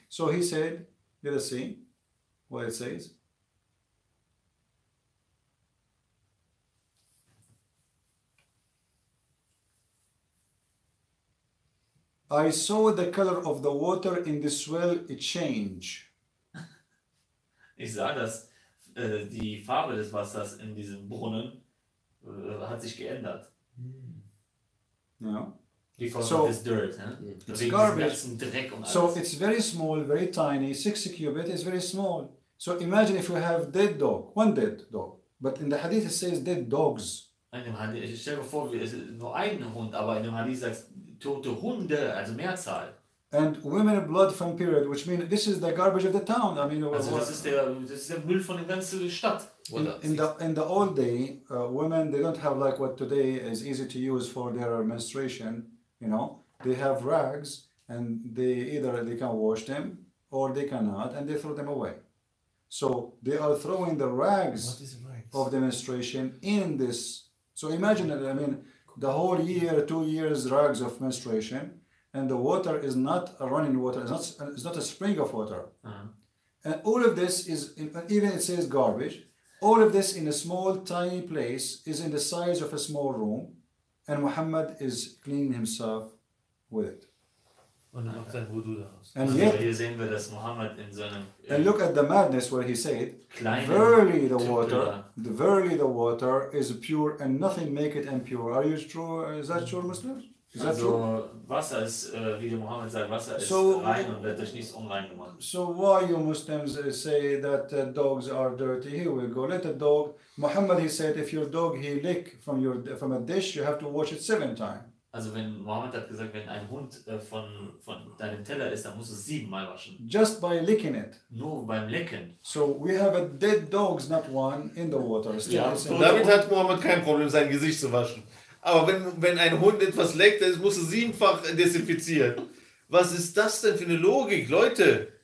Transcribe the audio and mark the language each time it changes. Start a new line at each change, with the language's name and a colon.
English: So he said, let us see what it says. I saw the color of the water in the well change.
German: Ich sah, dass die Farbe des Wassers in diesem Brunnen hat sich geändert. Ja.
English: Because of this dirt, huh? It's garbage.
German: Dreck und alles.
English: So it's very small, very tiny. 6 cubits is very small. So imagine if you have dead dog, one dead dog, but in the hadith it says dead dogs.
German: In dem Hadith, ich stell mir vor, es ist nur ein Hund, aber in dem Hadith sagst tote Hunde, also Mehrzahl.
English: And women blood from period, which means this is the garbage of the town. I mean,
German: also das ist der Müll von der ganzen Stadt.
English: In the old day, women, they don't have like what today is easy to use for their menstruation. You know, they have rags and they can wash them or they cannot and they throw them away. So they are throwing the rags of the menstruation in this. So imagine that. I mean, the whole year, 2 years, rags of menstruation, and the water is not a running water, it's not a spring of water. Uh-huh. And all of this is, even it says garbage, all of this in a small, tiny place is in the size of a small room, and Muhammad is cleaning himself with it. And yet, here
German: sehen wir, dass Muhammad in seinem,
English: and look at the madness where he said, verily the water, verily the water is pure and nothing make it impure. Are you true? Is that true, Muslims? Is that true?
German: Wasser ist, wie der Mohammed sagt, Wasser ist rein und wird durch nichts unrein gemacht.
English: So why you Muslims say that dogs are dirty? Here we go. Let a dog. Muhammad, he said, if your dog he lick from your from a dish, you have to wash it 7 times.
German: Also wenn Mohammed hat gesagt, wenn ein Hund von deinem Teller ist, dann musst du es 7 Mal waschen.
English: Just by licking it.
German: Nur beim Lecken.
English: So we have a dead dogs, not one, in the water.
German: Ja, damit hat Mohammed kein Problem, sein Gesicht zu waschen. Aber wenn ein Hund etwas leckt, dann musst du 7-fach desinfizieren. Was ist das denn für eine Logik, Leute?